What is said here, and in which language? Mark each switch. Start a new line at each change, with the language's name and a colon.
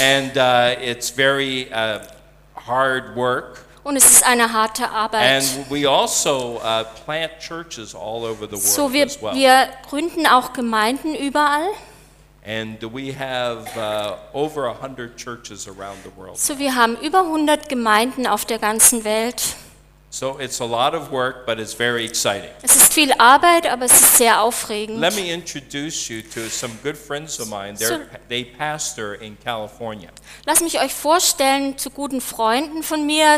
English: And it's very hard work.
German: Und es ist eine harte Arbeit.
English: And we also plant churches all over the world.
German: So wir gründen auch Gemeinden überall.
English: And we have over 100 churches around the world.
German: So wir haben über 100 Gemeinden auf der ganzen Welt.
English: So it's a lot of work, but it's very exciting.
German: Es ist viel Arbeit, aber es ist sehr aufregend.
English: Let me introduce you to some good friends of mine. They pastor in California.
German: Lass mich euch vorstellen zu guten Freunden von mir.